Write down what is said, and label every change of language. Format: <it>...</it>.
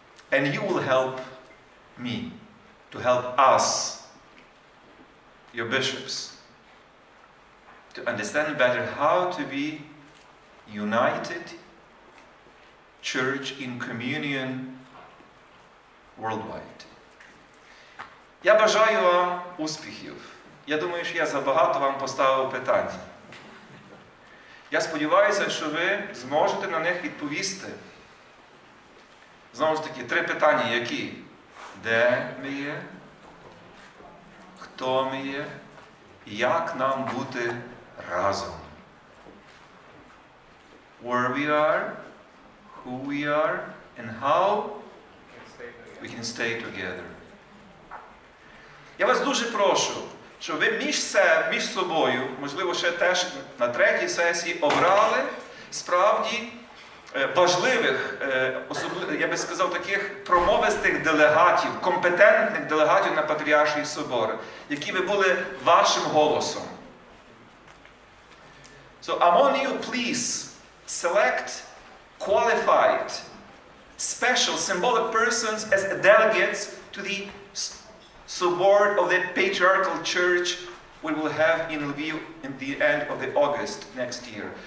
<en>And you will help me to help us, your bishops, to understand better how to be united church in communion worldwide.</en> <uk>Я бажаю вам успіхів. Я думаю, що я забагато вам поставив питань. Я сподіваюся, що ви зможете на них відповісти. Знову ж таки, три питання, які? Де ми є? Хто ми є? Як нам бути разом.</uk> <en>Where we are, who we are, and how we can stay together.</en> <uk>Я вас дуже прошу, щоб ви між собою, можливо, ще теж на третій сесії, обрали справді важливих, я би сказав, таких промовистих делегатів, компетентних делегатів на Патріарший Собор, які би були вашим голосом.</uk> <en>So among you, please select qualified, special, symbolic persons as delegates to the Sobor of the Patriarchal Church we will have in Lviv in the end of the August next year.</en>